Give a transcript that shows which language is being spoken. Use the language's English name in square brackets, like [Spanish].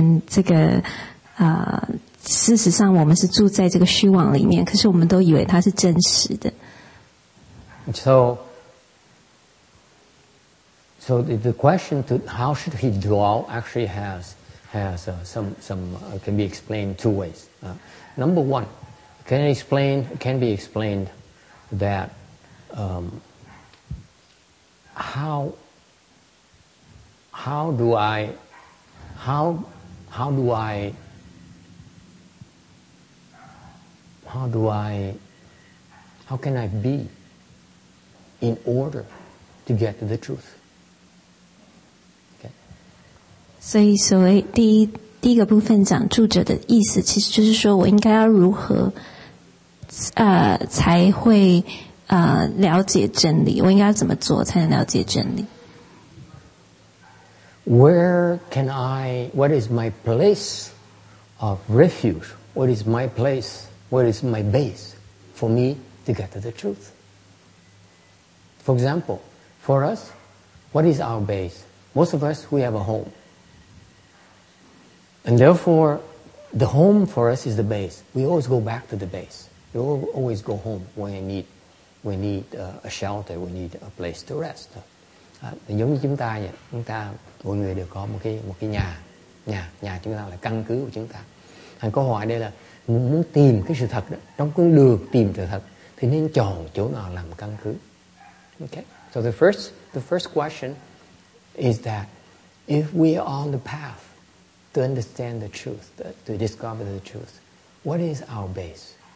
[Chinese] 所以我们这个，事实上 我们是住在这个虚妄里面, 可是我们都以为它是真实的。 [English] So the question to how should he dwell actually has can be explained two ways. Number one, can be explained that how can I be in order to get to the truth. [Chinese] 所以所谓第一个部分讲住者的意思，其实就是说我应该要如何，才会了解真理？我应该要怎么做才能了解真理？ [English] What is my place of refuge? What is my place? What is my base for me to get to the truth? For example, for us, what is our base? Most of us, we have a home. And therefore, the home for us is the base. We always go back to the base. We always go home when we need a shelter, we need a place to rest. [Vietnamese] Giống như chúng ta vậy, chúng ta mỗi người đều có một cái nhà chúng ta là căn cứ của chúng ta. Thành câu hỏi đây là muốn tìm cái sự thật đó, trong con đường tìm sự thật thì nên chọn chỗ nào làm căn cứ. [English] Okay. So the first question is that if we are on the path to understand the truth, to discover the truth, what is our base?